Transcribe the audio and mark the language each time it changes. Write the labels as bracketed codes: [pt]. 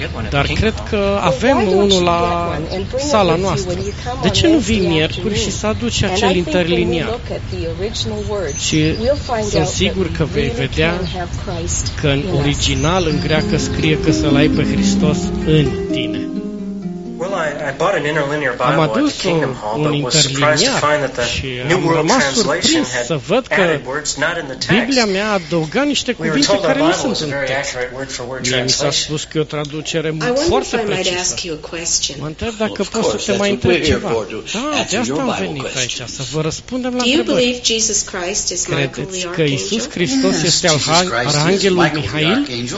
[ro] Dar cred că avem unul la sala noastră. De ce nu vii miercuri și să aduci acel interliniar? Și sunt sigur că vei vedea că în original, în greacă, scrie că să-L ai pe Hristos în tine. [en] I bought an interlinear Bible at the Kingdom Hall, but was surprised to find that the New World Translation had added words not in the text. [ro] Biblia mea adăuga niște cuvinte care nu sunt în text. Mie mi s-a spus că e o traducere foarte precisă. Mă întreb dacă pot să te mai întreb ceva. Da, de asta am venit aici, să vă răspundem la întrebări. Credeți că Iisus Hristos este al Arhanghelul Mihail?